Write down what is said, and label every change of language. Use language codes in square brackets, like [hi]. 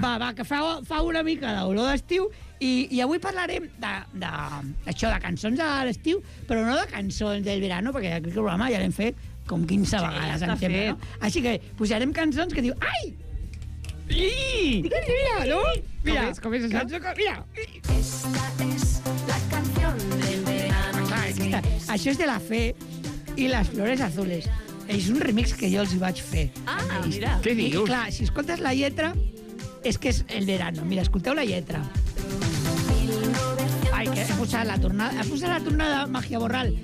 [ca] Va, va, que fa una mica d'olor d'estiu i avui parlarem d'això, de cançons a l'estiu, però no de cançons del verano, perquè aquest programa ja l'hem fet com 15 vegades. Sí, sempre, no? Així que posarem cançons que diu... Ai! Mira, no? Mira, com és això? Mira! [es] Esta es la canción del verano. [ca] Ah, aquesta, això és de La Fe i Las Flores Azules. És un remix que jo els hi vaig fer. Ah, mira. Què dius? I, clar, si escoltes la lletra, és que és el verano. Mira, escolteu la lletra. Ai, que has posat la tornada. Has posat la tornada, Màgia Borral.